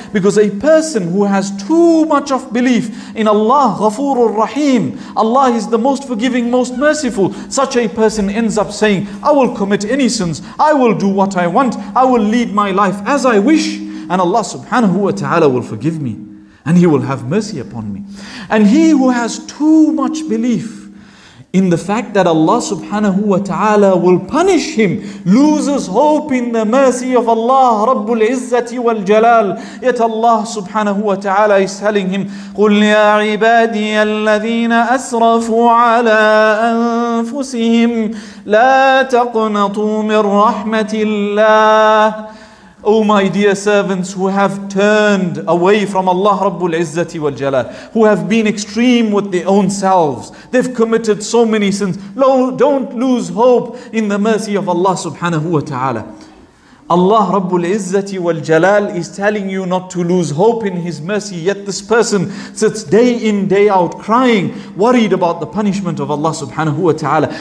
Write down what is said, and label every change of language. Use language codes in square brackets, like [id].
[en] Because a person who has too much of belief in Allah, Ghafoor Rahim, Allah is the most forgiving, most merciful, such a person ends up saying, I will commit any sins, I will do what I want, I will lead my life as I wish, and Allah subhanahu wa ta'ala will forgive me, and He will have mercy upon me. And he who has too much belief in the fact that Allah subhanahu wa ta'ala will punish him, loses hope in the mercy of Allah, Rabbul Izzati wal Jalal. Yet Allah subhanahu wa ta'ala is telling him, [ar] قُلْ يَا عِبَادِيَ الَّذِينَ أَسْرَفُوا عَلَىٰ أَنفُسِهِمْ لَا تَقْنَطُوا مِنْ رَحْمَةِ اللَّهِ. [en] Oh my dear servants who have turned away from Allah Rabbul Izzati wal Jalal, who have been extreme with their own selves, they've committed so many sins, no, don't lose hope in the mercy of Allah subhanahu wa ta'ala. Allah Rabbul Izzati wal Jalal is telling you not to lose hope in His mercy, yet this person sits day in, day out crying, worried about the punishment of Allah subhanahu wa ta'ala.